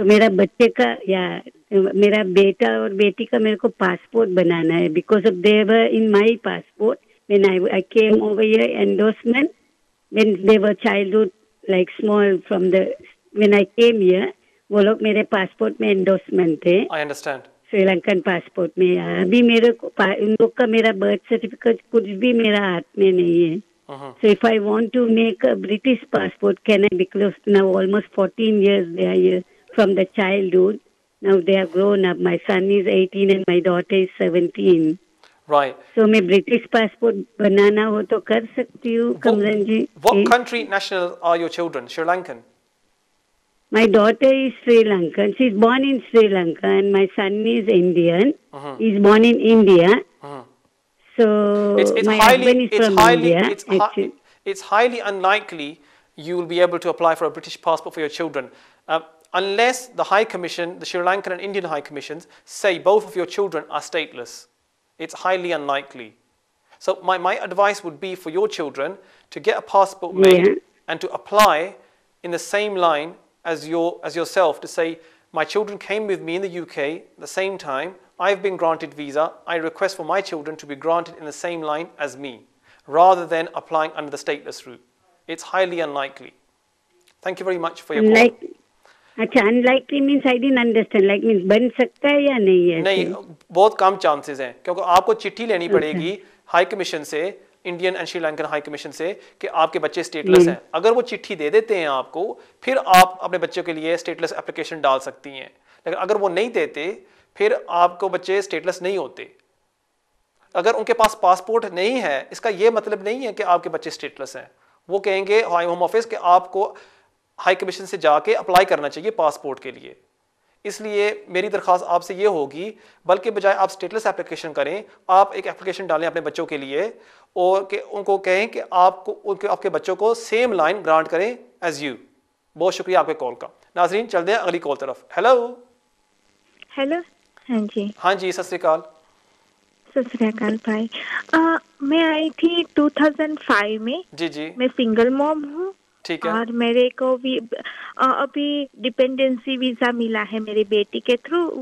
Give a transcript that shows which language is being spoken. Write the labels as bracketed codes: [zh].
[hi] तो मेरा बच्चे का या मेरा बेटा और बेटी का मेरे को पासपोर्ट बनाना है, [en] because of they were in my passport when I came over here endorsement when they were childhood like small from the when I came here [hi] वो लोग मेरे पासपोर्ट में एंडोर्समेंट थे. [en] I understand. [hi] श्रीलंकन पासपोर्ट में अभी मेरे को उन लोग का मेरा बर्थ सर्टिफिकेट कुछ भी मेरा हाथ में नहीं है. [en] So if I want to make a British passport can I, because now almost 14 years they are here from the childhood. Now they have grown up. My son is 18 and my daughter is 17. Right. [hi] So मैं British passport बनाना हो तो कर सकती हूँ, कमरन जी? [en] What country national are your children? Sri Lankan. My daughter is Sri Lankan. She is born in Sri Lanka and my son is Indian. Uh-huh. He is born in India. Uh-huh. So it's highly India. It's highly unlikely you will be able to apply for a British passport for your children. Unless the High Commission, the Sri Lankan and Indian High Commissions, say both of your children are stateless, it's highly unlikely. So my advice would be for your children to get a passport made and to apply in the same line as yourself, to say, my children came with me in the UK at the same time, I've been granted visa, I request for my children to be granted in the same line as me, rather than applying under the stateless route. It's highly unlikely. Thank you very much for your call. अच्छा, unlikely means I didn't understand. Like means [hi] बन सकता है या नहीं है? नहीं, बहुत कम chances हैं. क्योंकि आपको चिट्ठी लेनी पड़ेगी High Commission से, Indian and Sri Lankan High Commission से, कि आपके बच्चे stateless हैं. अगर वो चिट्ठी दे देते हैं आपको, फिर आप अपने बच्चों के लिए stateless application डाल सकती हैं. लेकिन अगर वो नहीं देते, फिर आपको बच्चे stateless नहीं होते. अगर उनके पास पासपोर्ट नहीं है, इसका ये मतलब नहीं है कि आपके बच्चे stateless हैं. वो कहेंगे होम ऑफिस कि आपको हाई कमीशन से जाके अप्लाई करना चाहिए पासपोर्ट के लिए. इसलिए मेरी दरख्वास्त आपसे ये होगी, बल्कि बजाय आप स्टेटलेस एप्लीकेशन करें, आप एक एप्लीकेशन डालें अपने बच्चों के लिए और के उनको कहें कि आपको उनके आपके बच्चों को सेम लाइन ग्रांट करें [en] As you. [hi] बहुत शुक्रिया आपके कॉल का. नाजरीन, चलते हैं अगली कॉल तरफ. हेलो. हेलो. हाँ जी. हाँ जी, सत श्री अकाल. सत श्री अकाल भाई. मैं आई थी 2005 में. जी जी. मैं सिंगल मॉम हूँ. ठीक है. और मेरे को भी अभी डिपेंडेंसी वीजा मिला है मेरी बेटी के थ्रू.